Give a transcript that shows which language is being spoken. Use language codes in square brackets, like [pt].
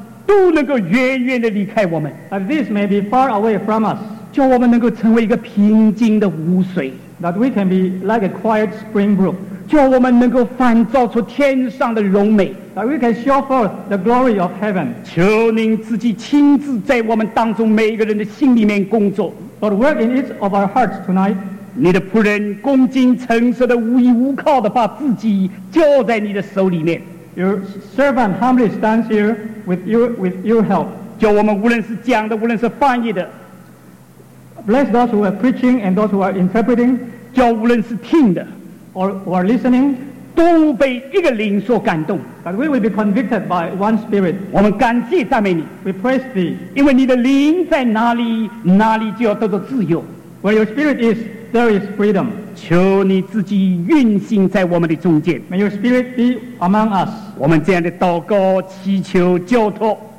[zh] 都能够远远地离开我们。 [en] That this may be far away from us. [zh] 叫我们能够成为一个平静的湖水。 [en] That we can be like a quiet spring brook. [zh] 叫我们能够反照出天上的荣美。 [en] That we can show forth the glory of heaven. [zh] 求您自己亲自在我们当中每一个人的心里面工作。 [en] But work in each of our hearts tonight. [zh] 你的仆人恭敬诚实的无依无靠的把自己交在你的手里面。 [en] Your servant humbly stands here with your help. [zh] 叫我们无论是讲的，无论是翻译的 [en] ，bless those who are preaching and those who are interpreting. [zh] 叫无论是听的 [en] or are listening, [zh] 都被一个灵所感动。 [en] But we will be convicted by one spirit. [zh] 我们感谢赞美你。 [en] We praise thee. [zh] 因为你的灵在哪里，哪里就要得到自由。 [en] Where your spirit is. There is freedom. [zh] 求你自己运行在我们的中间。 [en] May your spirit be among us. [zh] 我们这样的祷告祈求交托。